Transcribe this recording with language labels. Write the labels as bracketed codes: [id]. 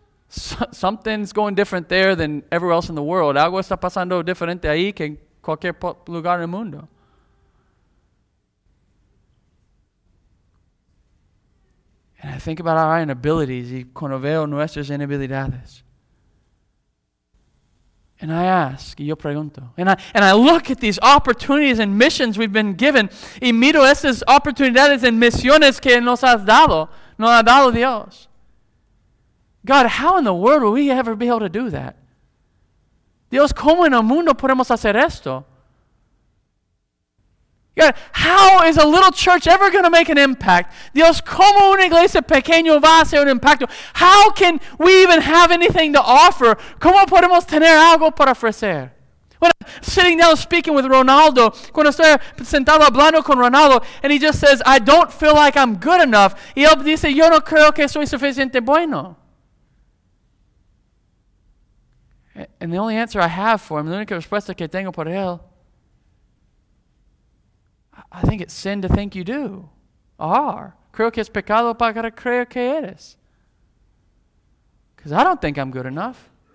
[en] Something's going different there than everywhere else in the world. [es] Algo está pasando diferente ahí que en cualquier lugar en el mundo. [en] And I think about our inabilities [es] y cuando veo nuestras inabilidades. [en] And I ask, [es] y yo pregunto. [en] And I look at these opportunities and missions we've been given [es] y miro esas oportunidades en misiones que nos ha dado Dios. [en] God, how in the world will we ever be able to do that? [es] Dios, ¿cómo en el mundo podemos hacer esto? [en] God, how is a little church ever going to make an impact? [es] Dios, ¿cómo una iglesia pequeña va a hacer un impacto? [en] How can we even have anything to offer? [es] ¿Cómo podemos tener algo para ofrecer? [en] When I'm sitting down speaking with Ronaldo, [es] cuando estoy sentado hablando con Ronaldo, [en] and he just says, I don't feel like I'm good enough. [es] Y él dice, yo no creo que soy suficiente bueno. [en] And the only answer I have for him, [es] la única respuesta que tengo por él, [en] I think it's sin to think you do. Are. [es] Creo que es pecado para creer que eres. [en] Because I don't think I'm good enough.